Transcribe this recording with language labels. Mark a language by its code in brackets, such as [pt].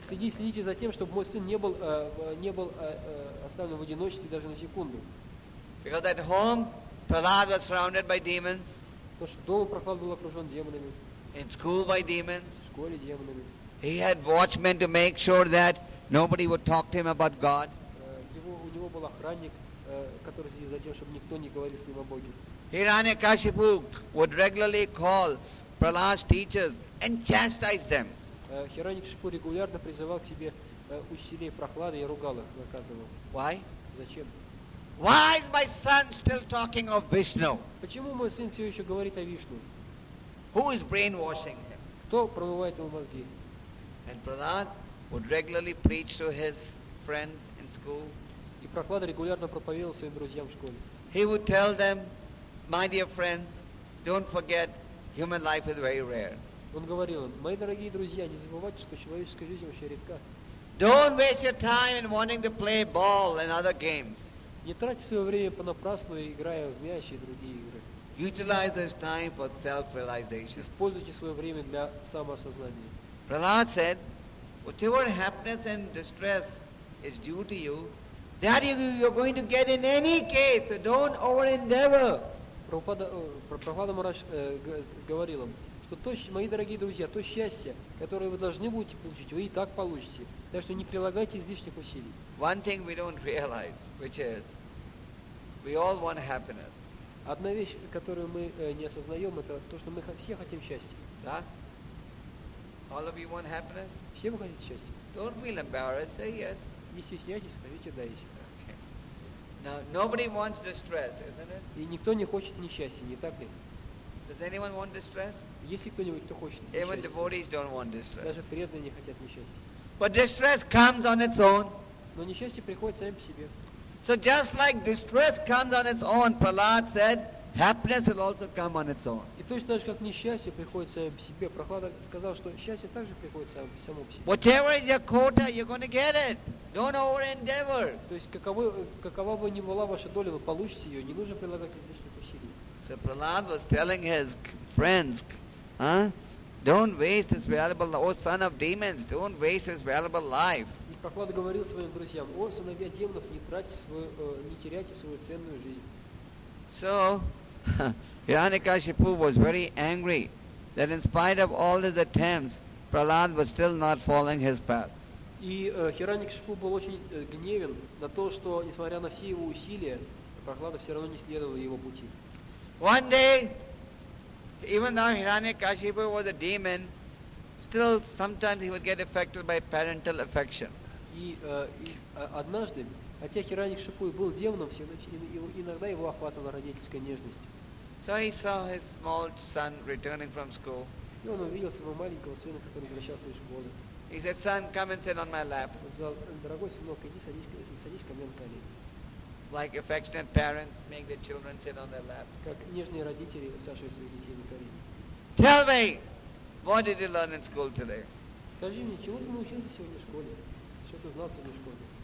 [ru] Следите за тем, чтобы мой сын не был оставлен в одиночестве даже на секунду. [en] Because at home, Prahlad was surrounded by demons. [ru] Потому что дома Прохлад был окружен демонами. [en] In school by demons. [ru] В школе демонами. [en] He had watchmen to make sure that nobody would talk to him about God. [ru] У него был охранник, который следил за тем, чтобы никто не говорил с ним о Боге. [en] Hiranyakashipu would regularly call Prahlad's teachers and chastise them. [ru] Hiranyakashipu регулярно призывал к себе учителей Прохлады и ругал их, наказывал. [en] Why? [ru] Зачем? [en] Why is my son still talking of Vishnu? [ru] Почему мой сын все еще говорит о Вишну? [en] Who is brainwashing him? [ru] Кто промывает ему мозги? [en] And Prahlad would regularly preach to his friends in school. [ru] И Прохлада регулярно проповедовал своим друзьям в школе. [en] He would tell them, my dear friends, don't forget, human life is very rare. [ru] Он говорил им, мои дорогие друзья, не забывайте, что человеческая жизнь очень редка. [en] Don't waste your time in wanting to play ball and other games. [ru] Не тратьте свое время понапрасну, играя в мяч и другие игры. [en] Utilize this time for self-realization. [ru] Используйте свое время для самоосознания. [en] Prahlad said, whatever happiness and distress is due to you, that you're going to get in any case, so don't over-endeavor. [ru] Прабхупада Махарадж говорил им, что то, мои дорогие друзья, то счастье, которое вы должны будете получить, вы и так получите. Так что не прилагайте излишних усилий. [en] One thing we don't realize, which is, we all want happiness. [ru] Одна вещь, которую мы не осознаем, это то, что мы все хотим счастья. Да? [en] All of you want happiness? [ru] Все вы хотите счастья. [en] Don't feel embarrassed, say yes. [ru] Не стесняйтесь, скажите да, если. [en] Okay. Now, nobody wants distress, isn't it? [ru] И никто не хочет несчастья, не так ли? [en] Does anyone want distress? [ru] Если кто-нибудь, кто хочет несчастья. [en] Even devotees don't want distress. [ru] Даже преданные не хотят несчастья. [en] But distress comes on its own. [ru] Но несчастье приходит сами по себе. [en] So just like distress comes on its own, Prahlad said, happiness will also come on its own. [ru] И точно так же, как несчастье приходит само по себе, Прохлада сказал, что счастье также приходит само по себе. [en] Whatever is your quota, you're going to get it. Don't over-endeavor. [ru] То есть какова бы ни была ваша доля, вы получите ее. Не нужно прилагать излишних усилий. [en] So Prahlad was telling his friends, don't waste this valuable, oh son of demons, don't waste this valuable life. [ru] И Прохлада говорил своим друзьям, о сыновья демонов, не теряйте свою ценную жизнь. [en] So, Hiranyakashipu was very angry that in spite of all his attempts, Prahlad was still not following his path. [ru] И Хираньякашипу был очень гневен на то, что несмотря на все его усилия, Прохлада все равно не следовал его пути. [en] One day, even though Hiranyakashipu was a demon, still sometimes he would get affected by parental affection. [ru] И однажды, хотя Хираньякашипу и был демоном, иногда его охватывала родительская нежность. [en] So he saw his small son returning from school. [ru] И он увидел своего маленького сына, который возвращался из школы. [en] He said, "Son, come and sit on my lap." [ru] Он сказал, дорогой сынок, иди садись ко мне на колени. [en] Like affectionate parents make their children sit on their lap. [ru] Как нежные родители усаживают своих детей на колени. [en] Tell me, what did you learn in school today? [ru] Скажи мне, чему ты научился сегодня в школе? Что ты знал сегодня в школе?